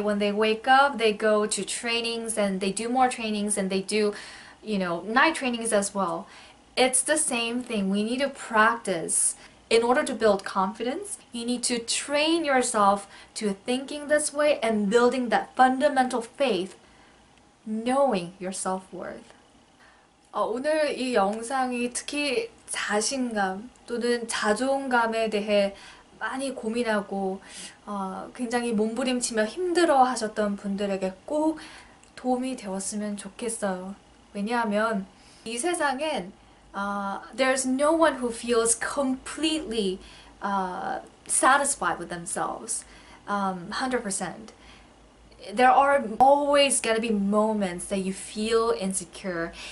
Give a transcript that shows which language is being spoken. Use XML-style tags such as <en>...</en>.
<en>When they wake up, they go to trainings and they do more trainings and they do, night trainings as well. It's the same thing. We need to practice. In order to build confidence, you need to train yourself to thinking this way and building that fundamental faith, knowing your self-worth.</en> <ko>오늘 이 영상이 특히 자신감 또는 자존감에 대해 많이 고민하고 굉장히 몸부림치며 힘들어 하셨던 분들에게 꼭 도움이 되었으면 좋겠어요. 왜냐하면 이 세상엔</ko> <en>there's no one who feels completely satisfied with themselves, 100%. There are always gonna be moments that you feel insecure.</en>